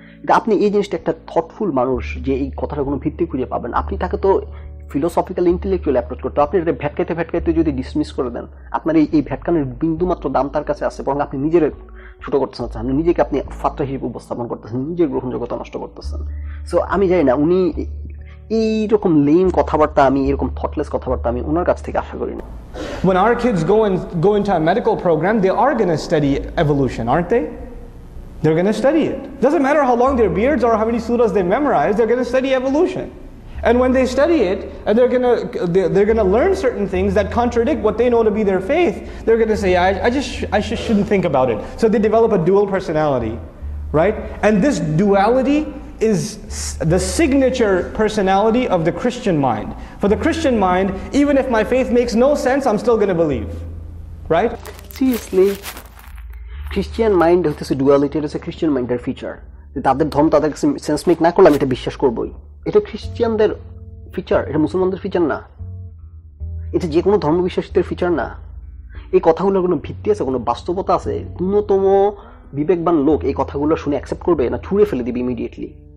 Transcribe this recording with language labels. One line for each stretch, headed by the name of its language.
Bangla: কিন্তু আপনি এই জিনিসটা একটা থটফুল মানুষ যে এই কথাটা কোনো ভিত্তি খুঁজে পাবেন, আপনি তাকে তো ফিলোসফিক্যাল ইন্টেলেকচুয়াল অ্যাপ্রোচ করতে, আপনি এটা ভেটকাইতে ভেটকাইতে যদি ডিসমিস করে দেন, আপনার এই ভেটকানের বিন্দুমাত্র দাম তার কাছে আসে, বরং আপনি নিজের ছোটো করতেছেন, আপনি নিজেকে আপনি ফাটরা হিসেবে উপস্থাপন করতেছেন, নিজের গ্রহণযোগ্যতা নষ্ট করতেছেন। সো আমি জানি না, উনি এইরকম লেম কথাবার্তা, আমি এরকম থটলেস কথাবার্তা আমি ওনার কাছ থেকে আশা করি না।
English: When our kids go into a medical program, they are going to study evolution, aren't they? They're going to study it. Doesn't matter how long their beards are, how many surahs they memorize, they're going to study evolution. And when they study it, and they're going to learn certain things that contradict what they know to be their faith, they're going to say, I just shouldn't think about it. So they develop a dual personality, right? And this duality is the signature personality of the Christian mind. For the Christian mind, even if my faith makes no sense, I'm still going to believe. Right? Seriously, Christian mind is a duality, it is a Christian mind feature.
Bangla: তাদের ধর্ম তাদের কাছে sense make না করলে আমি এটা বিশ্বাস করবই, এটা খ্রিস্টানদের ফিচার, এটা মুসলমানদের ফিচার না, এটা যে কোনো ধর্মবিশ্বাসীদের ফিচার না। এই কথাগুলোর কোনো ভিত্তি আছে, কোনো বাস্তবতা আছে? ন্যূনতম বিবেকবান লোক এই কথাগুলো শুনে অ্যাকসেপ্ট করবে না, ছুঁড়ে ফেলে দিবে ইমিডিয়েটলি?